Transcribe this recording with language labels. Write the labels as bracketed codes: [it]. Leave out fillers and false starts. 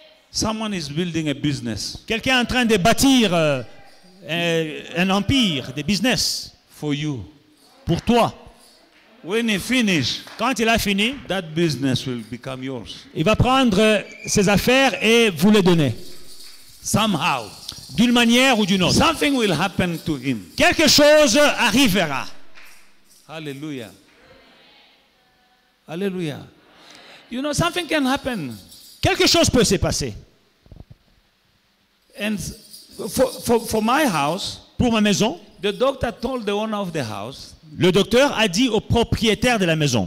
[en] Someone is building a business. [fr] Quelqu'un est en train de bâtir un empire, des business. [en] For you. [fr] Pour toi. [en] When he finish, [fr] quand il a fini, [en] that business will become yours. [fr] Il va prendre ses affaires et vous les donner. [en] Somehow. [fr] D'une manière ou d'une autre. [en] Something will happen to him. [fr] Quelque chose arrivera. [en] Hallelujah. Hallelujah. You know, something can happen. [fr] Quelque chose peut se passer. [en] And for my house, [fr] pour ma maison, [en] the doctor told the owner of the house. [fr] Le docteur a dit au propriétaire de la maison.